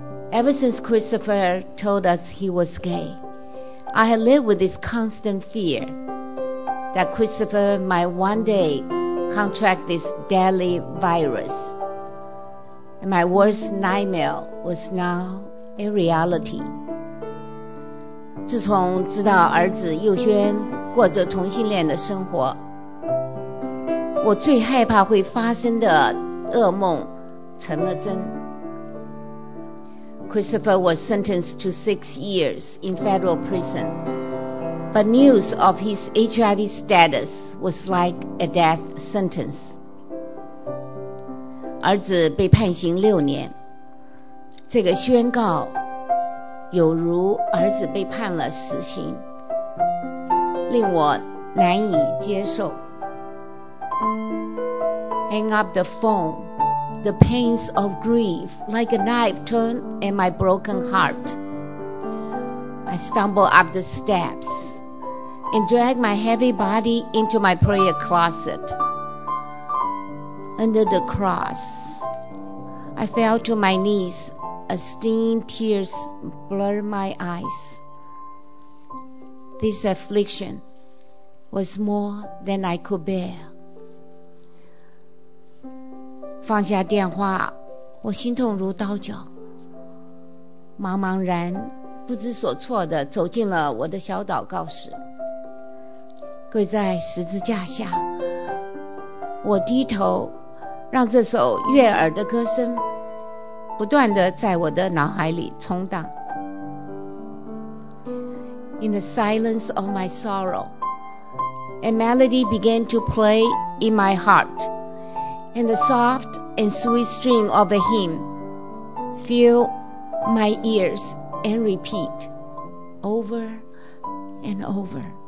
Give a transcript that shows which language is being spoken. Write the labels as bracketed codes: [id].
[en] Ever since Christopher told us he was gay, I had lived with this constant fear that Christopher might one day contract this deadly virus, and my worst nightmare was now a reality. [zh] 自从知道儿子佑轩过着同性恋的生活，我最害怕会发生的噩梦成了真。 [en] Christopher was sentenced to 6 years in federal prison, but news of his HIV status was like a death sentence. [zh] 儿子被判刑6年，这个宣告有如儿子被判了死刑，令我难以接受。 [en] Hang up the phone, the pains of grief like a knife turned in my broken heart. I stumble up the steps and drag my heavy body into my prayer closet. Under the cross, I fell to my knees as stinging tears blur my eyes. This affliction was more than I could bear. [zh] 放下电话，我心痛如刀绞，茫茫然不知所措地走进了我的小祷告室，跪在十字架下。我低头，让这首悦耳的歌声不断地在我的脑海里冲荡。 [en] In the silence of my sorrow, a melody began to play in my heart, and the softand sweet string of a hymn fill my ears and repeat over and over.